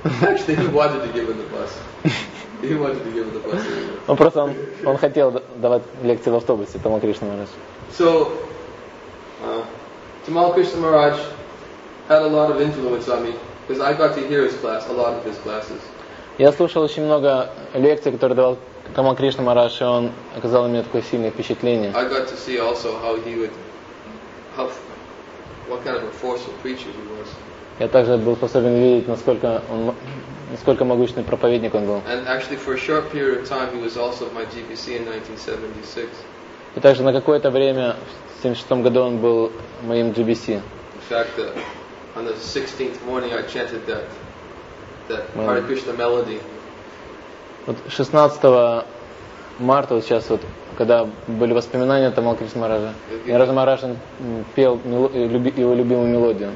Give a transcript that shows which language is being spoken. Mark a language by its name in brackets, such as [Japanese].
[English] Actually, he wanted to give in the bus. He wanted to give in the bus. [Russian] Он просто он хотел давать лекции в автобусе Атамал Кришна Махарадж. [English] So, Атамал Кришна Махарадж had a lot of influence on me. Because I got to hear his class, a lot of his classes. [Russian] Я слушал очень много лекций, которые давал Тамал Кришна Махарадж, и он оказал на меня такое сильное впечатление. [English] I got to see also how he would, how, what kind of a forceful preacher he was. [Russian] Я также был способен видеть, насколько могучий проповедник он был. [English] And actually, for a short period of time, he was also my GPC in 1976. [Russian] И также на какое-то время в 76 году он был моим GPC. [English] In fact, on the 16th morning, I chanted that Hare Krishna melody. [Russian] Вот 16 марта вот сейчас вот, когда были воспоминания Тамал Кришна Махараджа, Нараджа Махарадж пел его любимую мелодию.